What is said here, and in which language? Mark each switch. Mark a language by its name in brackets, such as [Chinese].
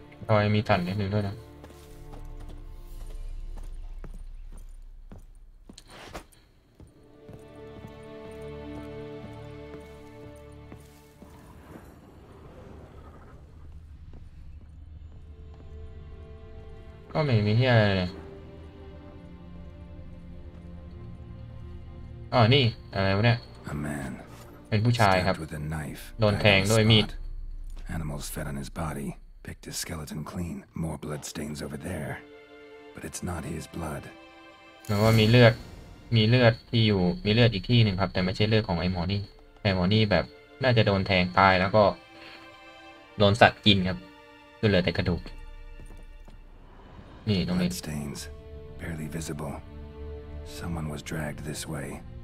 [Thai] รอยมีสั่นนิดนึงด้วยนะก็ไม่มีที่อะไรเลยอ๋อนี่อะไรวะเนี่ยเป็นผู้ชายครับโดนแทงด้วยมีด [English] Animals fed on his bodyPicked his skeleton clean. More blood stains over there, but it's not his blood. [Thai] แล้วก็มีเลือดที่อยู่มีเลือดอีกที่นึงครับแต่ไม่ใช่เลือดของไอ้หมอนี่ไอ้หมอนี่แบบน่าจะโดนแทงตายแล้วก็โดนสัตว์กินครับคือเหลือแต่กระดูกนี่ตรงนี้ [English] blood stains barely visible. Someone was dragged this way.